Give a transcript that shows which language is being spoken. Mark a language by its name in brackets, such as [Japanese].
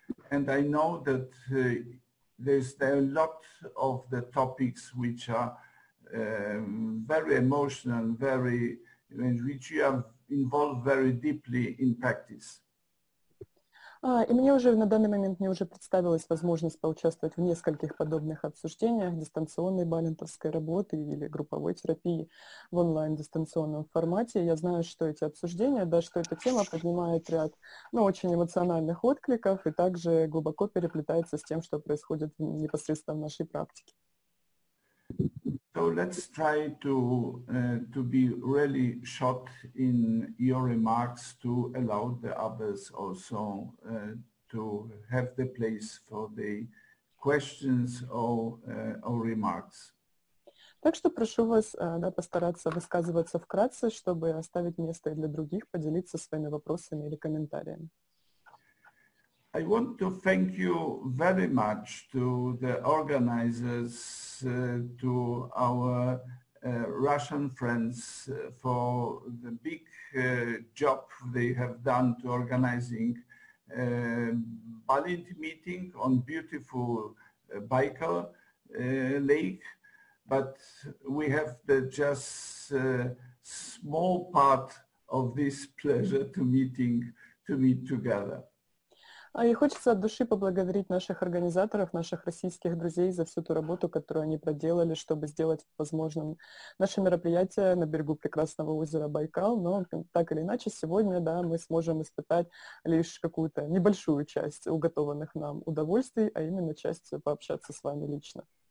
[English] And I know that there's a lot of the topics which are very emotional, very, in which you are involved very deeply in practice. [Russian] И мне уже на данный момент мне уже представилась возможность поучаствовать в нескольких подобных обсуждениях дистанционной балинтовской работы или групповой терапии в онлайн-дистанционном формате. Я знаю, что эти обсуждения, да, что эта тема поднимает ряд, ну, очень эмоциональных откликов и также глубоко переплетается с тем, что происходит непосредственно в нашей практике. [English] So let's try to be really short in your remarks to allow the others also to have the place for the questions or remarks. [Russian] Так что прошу вас, да, постараться высказываться вкратце, чтобы оставить место для других поделиться своими вопросами или комментариями. [English] I want to thank you very much to the organizers, to our Russian friends for the big job they have done to organizing a Balint meeting on beautiful Baikal lake. But we have the just small part of this pleasure to meet together. [Russian] И хочется от души поблагодарить наших организаторов, наших российских друзей за всю ту работу, которую они проделали, чтобы сделать возможным наше мероприятие на берегу прекрасного озера Байкал. Но так или иначе, сегодня, да, мы сможем испытать лишь какую-то небольшую часть уготованных нам удовольствий, а именно часть пообщаться с вами лично.